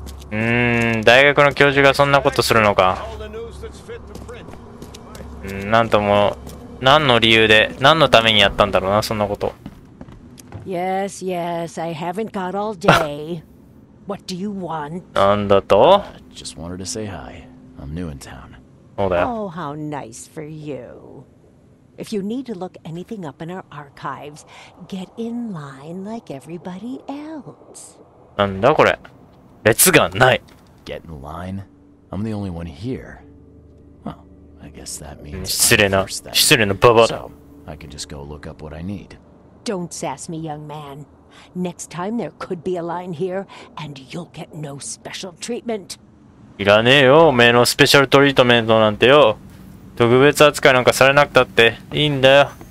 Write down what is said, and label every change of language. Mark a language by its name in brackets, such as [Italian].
[Japanese] 大学の教授がそんなことするのか。なんとも、何の理由で、何のためにやったんだろうな、そんなこと。 [English] Yes, yes, I haven't got all day. What do you want? [Japanese] なんだと？ [English] Just wanted to say hi. I'm new in town. [Japanese] そうだよ。 [English] Oh, how nice for you. If you need to look anything up in our archives, get in line like everybody else. [Japanese] なんだこれ？列がない。 [English] Get in line? I'm the only one here. Well, I guess that means. [Japanese] 失礼なババだ。 [English] I can just go look up what I need. Don't sass me, young man. Next time there could be a line here, and you'll get no special treatment. [Japanese] いらねえよ、おめえのスペシャルトリートメントなんてよ。特別扱いなんかされなくたっていいんだよ。